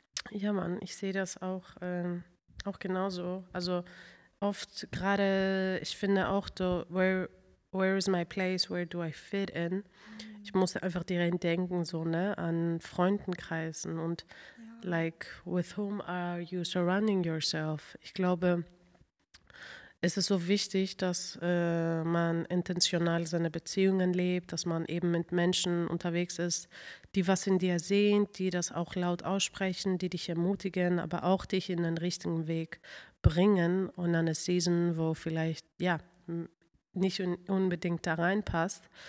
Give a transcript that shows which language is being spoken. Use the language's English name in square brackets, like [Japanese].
[German] Ja, Mann, ich sehe das auch, auch genauso. Also oft gerade, ich finde auch, [English] where is my place, where do I fit in? [German] Mhm. Ich muss einfach direkt denken, so, ne, an Freundenkreisen und ja. [English] Like, with whom are you surrounding yourself? [German] Ich glaube, es ist so wichtig, dass man intentional seine Beziehungen lebt, dass man eben mit Menschen unterwegs ist, die was in dir sehen, die das auch laut aussprechen, die dich ermutigen, aber auch dich in den richtigen Weg bringen und eine Season, wo vielleicht ja nicht unbedingt da reinpasst.